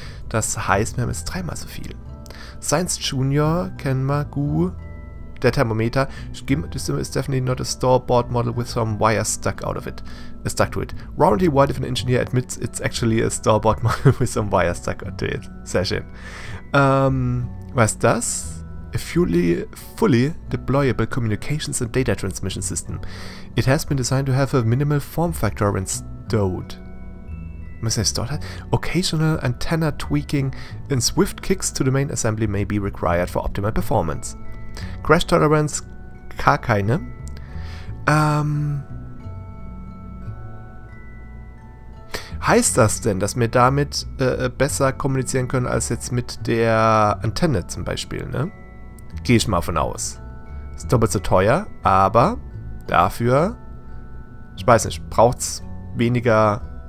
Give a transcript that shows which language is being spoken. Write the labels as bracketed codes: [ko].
[de] Das heißt, wir haben jetzt dreimal so viel. Science Junior, kennen wir, Gu. Der Thermometer. [en] This system is definitely not a store-bought model with some wire stuck out of it. Stuck to it. Warranty, what if an engineer admits it's actually a store-bought model with some wire stuck out of it? [de] Sehr schön. Was ist das? [en] A fully deployable communications and data transmission system. It has been designed to have a minimal form factor when stowed. [de] Müssen wir stowed halt? [en] Occasional antenna tweaking and swift kicks to the main assembly may be required for optimal performance. [de] Crash tolerance, gar keine. Heißt das denn, dass wir damit besser kommunizieren können als jetzt mit der Antenne zum Beispiel, ne? Gehe ich mal von aus. Ist doppelt so teuer, aber dafür, ich weiß nicht, braucht es weniger.